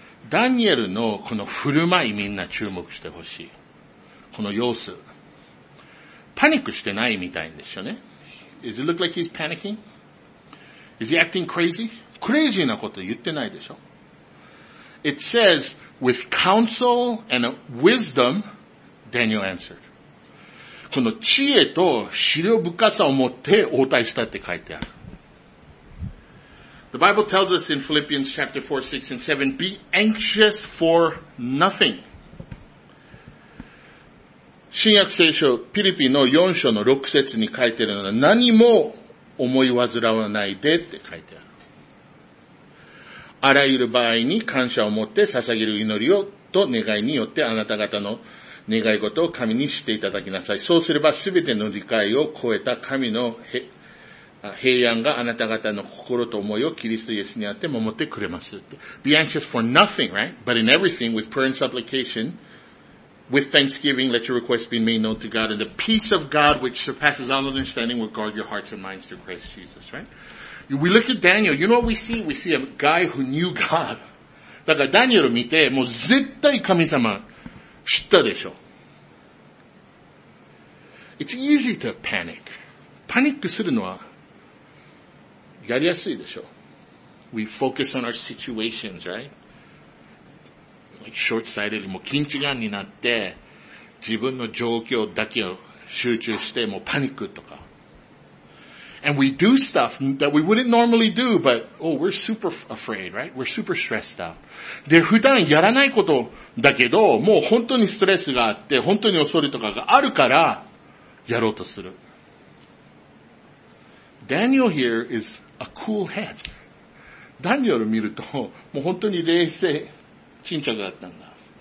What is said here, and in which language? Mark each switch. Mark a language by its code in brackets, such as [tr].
[ja] ダニエルのこの振る舞いみんな注目してほしい。この様子。パニックしてないみたいんですよね。 [en] Does it look like he's panicking? Is he acting crazy? [ja] クレイジーなこと言ってないでしょ。 [en] It says, with counsel and wisdom, Daniel answered. [ja] この知恵と思慮深さを持って応対したって書いてある。 [en] The Bible tells us in Philippians chapter 4, 6 and 7, be anxious for nothing. [ja] 新約聖書、ピリピの4章の6節に書いてるのは何も思い煩わないでって書いてある。あらゆる場合に感謝を持って捧げる祈りをと願いによってあなた方の願い事を神にしていただきなさい。そうすればすべての理解を超えた神の平安があなた方の心と思いをキリストイエスにあって守ってくれます。 [en] Be anxious for nothing, right? But in everything with prayer and supplication, with thanksgiving, let your requests be made known to God, and the peace of God which surpasses all understanding will guard your hearts and minds through Christ Jesus, right? We look at Daniel, you know what we see? We see a guy who knew God. [ja] だからダニエル見て、もう絶対神様知ったでしょ。 [en] It's easy to panic. [ja] パニックするのはやりやすいでしょ。 [en] We focus on our situations, right? Like short-sighted, [ja] もう近視眼になって、自分の状況だけを集中して、もうパニックとか。 [en] And we do stuff that we wouldn't normally do, but, oh, we're super afraid, right? We're super stressed out. [ja] で、普段やらないことだけど、もう本当にストレスがあって、本当に恐れとかがあるから、やろうとする。 [en] Daniel here is a cool head. [ja] Daniel を見ると、もう本当に冷静、沈着だったんだ。